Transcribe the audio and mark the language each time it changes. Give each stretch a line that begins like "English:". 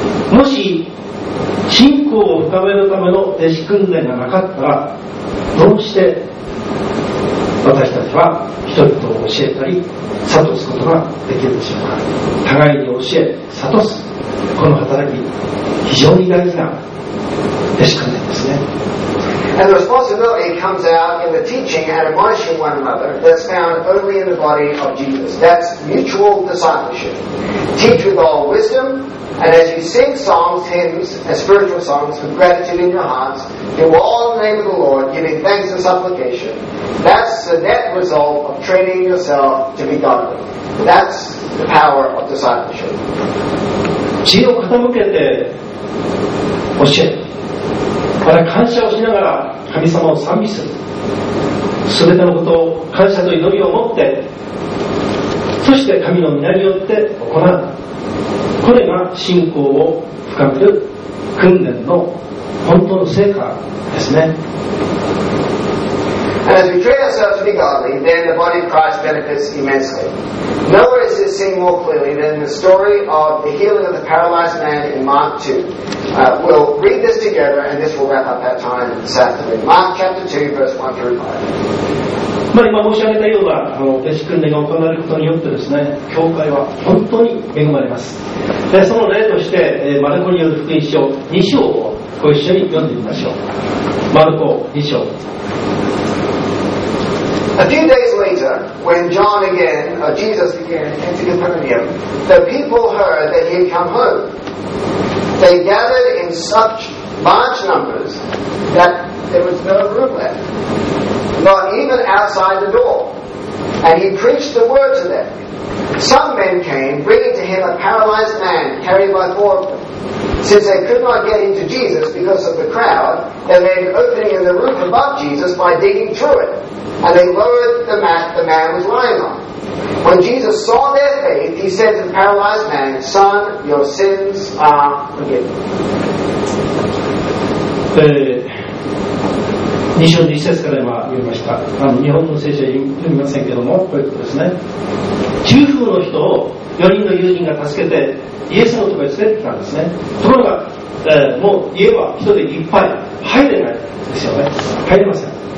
Japanese: もし信仰を深めるための弟子訓練がなかったら、どうして私たちは人々を教えたり悟すことができるでしょうか。互いに教え悟す、この働き非常に大事な弟子訓練ですね。
English: And the responsibility comes out in the teaching and admonishing one another that's found only in the body of Jesus. That's mutual discipleship. Teach with all wisdom, and as you sing psalms, hymns, and spiritual songs with gratitude in your hearts, do all in the name of the Lord, giving thanks and supplication. That's the the net result of training yourself to be godly. That's the power of discipleship.
Korean: 지혜
Japanese: を傾けて教える。また感謝をしながら神様を賛美する。すべてのことを感謝と祈りを持って、そして神の御名によって行う。これが信仰を深める訓練の本当の成果ですね。
English: And as we train ourselves to be godly, then the body of Christ benefits immensely. Nowhere is this seen more clearly than the story of the healing of the paralyzed man in Mark 2. We'll read this together, and this will wrap up that time this afternoon. Mark chapter 2, verse 1 through 5.
Japanese: まあ、今申し上げたような弟子訓練が行われることによってですね、教会は本当に恵まれます。でその例として、マルコによる福音書2章をご一緒に読んでみましょう。マルコ2章。
English: A few days later, when John again, Jesus again came to Capernaum, the people heard that he had come home. They gathered in such large numbers that there was no room left, not even outside the door. And he preached the word to them. Some men came, bringing to him a paralyzed man carried by four of them. Since they could not get into Jesus because of the crowd, they made an opening in the roof above Jesus by digging through it, and they lowered the mat the man was lying on. When Jesus saw their faith, he said to the paralyzed man, Son, your sins are forgiven.
Japanese: 2章1節から今読みました。日本の聖書は読みませんけども、こういうことですね。裕福の人を4人の友人が助けてイエスのところに連れてきたんですね。ところが、もう家は人でいっぱい、入れないですよね。入れません。